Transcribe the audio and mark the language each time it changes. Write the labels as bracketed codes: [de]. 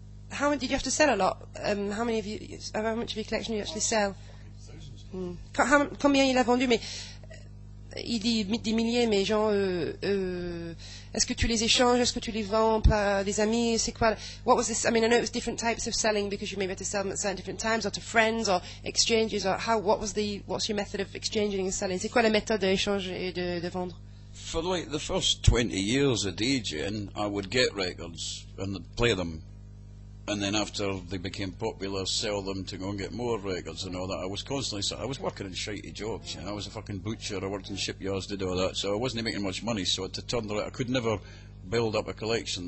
[en] How many did you have to sell a lot? How much of your collection did you actually sell? [fr] Combien il a vendu? Mais il dit des milliers, mais genre, est-ce que tu les échanges? Est-ce que tu les vends par des amis? C'est quoi? [en] What was this? I mean, I know it was different types of selling because you may be able to sell them at certain different times or to friends or exchanges or how? What's your method of exchanging and selling? [fr] C'est quoi la méthode d'échange et de vendre? [en] For like the first 20 years of DJing, I would get records and play them, and then after they became popular, sell them to go and get more records and all that. I was working in shitey jobs, you know. I was a fucking butcher, I worked in shipyards, did all that, so I wasn't making much money, so to turn the right, I could never build up a collection.